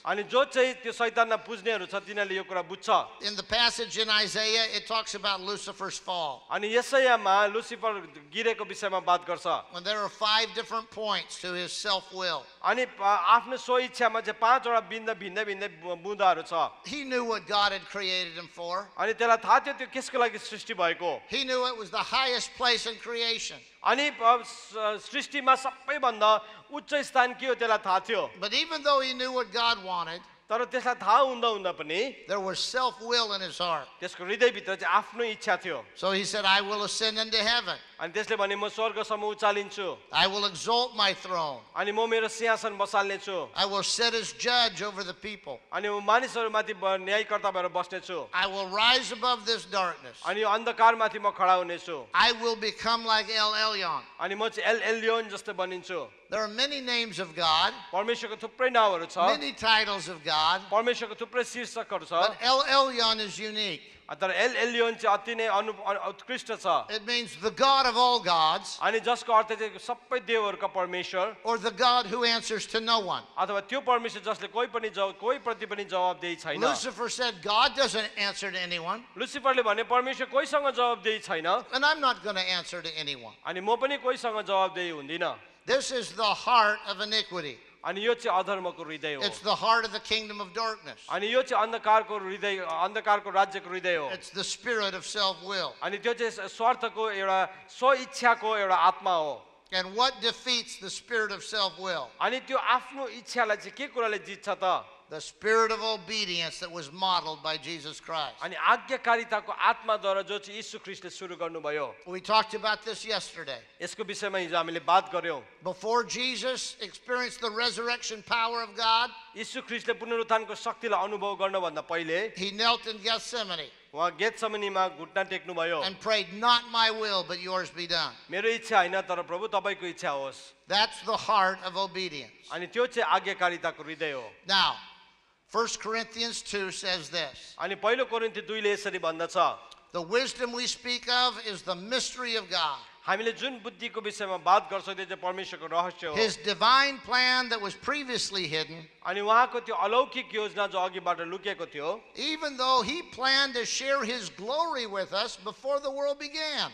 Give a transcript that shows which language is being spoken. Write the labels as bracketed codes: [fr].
[ne] अनि जो चाहिँ त्यो शैतानलाई पुज्नेहरु छ तिनीहरुले यो कुरा बुझ्छ. [en] In the passage in Isaiah it talks about Lucifer's fall. [ne] अनि यसैयामा लुसिफर गिरेको विषयमा बात गर्छ. [en] When there are five different points to his self will. [ne] अनि आफ्नो स्वइच्छामा चाहिँ पाँचवटा भिन्न भिन्न भिन्न बुँदाहरु छ. [en] He knew what God had created him for. [ne] अनि त्यसलाई थाहा थियो त्यो किसको लागि सृष्टि भएको. [en] He knew it was the highest place in creation. [ne] अनि सृष्टिमा सबैभन्दा उच्च स्थान के हो त्यसलाई थाहा थियो. [en] But even though he knew what God wanted, [ne] तर त्यसलाई थाहा हुँदा हुँदा पनि, [en] there was self-will in his heart. [ne] त्यसको हृदयभित्र चाहिँ आफ्नो इच्छा थियो. [en] So he said, I will ascend into heaven. [ne] अनि त्यसले भने म स्वर्गसम्म उचालिन्छु. [en] I will exalt my throne. [ne] अनि म मेरो सिंहासन बसाल्नेछु. [en] I will sit as judge over the people. [ne] अनि म मानिसहरूमाथि न्यायकर्ता भएर बस्नेछु. [en] I will rise above this darkness. [ne] अनि अन्धकारमाथि म खडा हुनेछु. [en] I will become like El Elyon. [ne] अनि म चाहिँ El Elyon जस्तै बनिन्छु. [en] There are many names of God. [ne] परमेश्वरको थुप्रै नामहरु छ. [en] Many titles of God. [ne] परमेश्वरको थुप्रै शीर्षकहरु छ. [en] But El Elyon is unique. [ne] तर एल एलियन चाहिँ अति नै उत्कृष्ट छ. [en] It means the God of all gods. [ne] अनि जसको अर्थ चाहिँ सबै देवहरूका परमेश्वर. [en] Or the God who answers to no one. [ne] अथवा त्यो परमेश्वर जसले कोही प्रति पनि जवाब दिए छैन. [en] Lucifer said God doesn't answer to anyone. [ne] लुसिफरले भने परमेश्वर कोहीसँग जवाब दिए छैन. [en] And I'm not going to answer to anyone. [ne] अनि म पनि कोहीसँग जवाब दिए हुँदिन. [en] This is the heart of iniquity. [ne] अनि यो चाहिँ अधर्मको हृदय हो. [en] It's the heart of the kingdom of darkness. [ne] अनि यो चाहिँ अन्धकारको हृदय अन्धकारको राज्यको हृदय हो. [en] It's the spirit of self will. [ne] अनि त्यो चाहिँ स्वार्थको एउटा स्वइच्छाको एउटा आत्मा हो. [en] And what defeats the spirit of self will? [ne] अनि त्यो आफ्नो इच्छालाई चाहिँ के कुराले जित्छ त? [en] The spirit of obedience that was modeled by Jesus Christ. [ne] अनि आज्ञाकारिताको आत्माद्वारा जो चाहिँ यीशु ख्रीष्टले सुरु गर्नुभयो. [en] We talked about this yesterday. [ne] यसको विषयमा हिजो हामीले बात गर्यौं. [en] Before Jesus experienced the resurrection power of God, [ne] यीशु ख्रीष्टले पुनरुत्थानको शक्तिलाई अनुभव गर्नुभन्दा पहिले, [en] he knelt in Gethsemane. [ne] उहाँ गेत्सेमनीमा घुट्ना टेक्नु भयो. [en] And prayed, not my will but yours be done. [ne] मेरो इच्छा हैन तर प्रभु तपाईको इच्छा होस्. [en] That's the heart of obedience. [ne] अनि त्यो चाहिँ आज्ञाकारिताको हृदय हो. [en] Now 1 Corinthians 2 says this. [ne] अनि पहिलो कोरिन्थी 2 ले यसरी भन्दछ. [en] The wisdom we speak of is the mystery of God. His divine plan that was previously hidden, even though he planned to share his glory with us before the world began.